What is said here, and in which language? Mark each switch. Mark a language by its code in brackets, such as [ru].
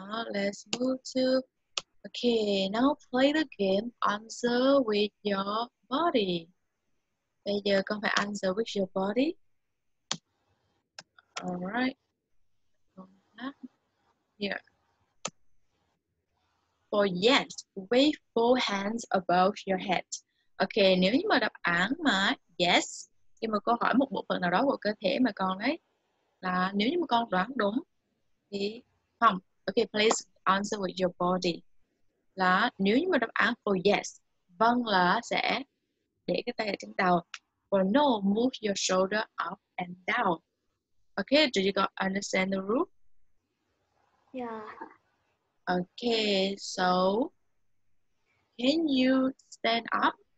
[en] Let's move to, okay, now play the game, answer with your body. [vi] Bây giờ con phải [en] answer with your body. Alright. Here. For yes, wave both hands above your head. [vi] Okay, nếu như mà đáp án mà yes, khi mà cô hỏi một bộ phận nào đó của cơ thể mà con ấy, là nếu như mà con đoán đúng, thì không. [en] Okay, please answer with your body. [vi] Là nếu như mà đáp án [en] for yes, [vi] vâng là sẽ để cái tay ở trên đầu. [en] For no, move your shoulder up and down. Okay, do you got understand the rule? Yeah. Okay, so can you stand up?